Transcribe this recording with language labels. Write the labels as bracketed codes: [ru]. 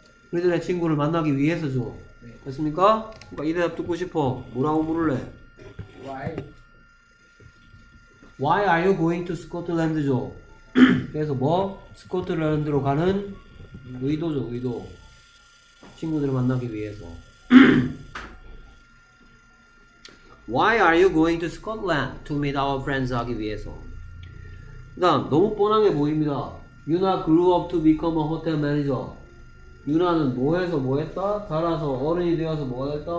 [ko] 우리들의 친구를 만나기 위해서죠. 네. 됐습니까? 그러니까 이 대답 듣고 싶어. 뭐라고 물을래? [en] Why are you going to Scotland죠? [ko] 그래서 뭐? 스코틀랜드로 가는 의도죠, 의도. 친구들을 만나기 위해서. [en] Why are you going to Scotland to meet our friends [ko] 하기 위해서? 그 다음, 너무 뻔하게 보입니다. [en] Yuna grew up to become a hotel manager. [ko] Yuna는 뭐해서 뭐했다? 자라서 어른이 되어서 뭐가 됐다?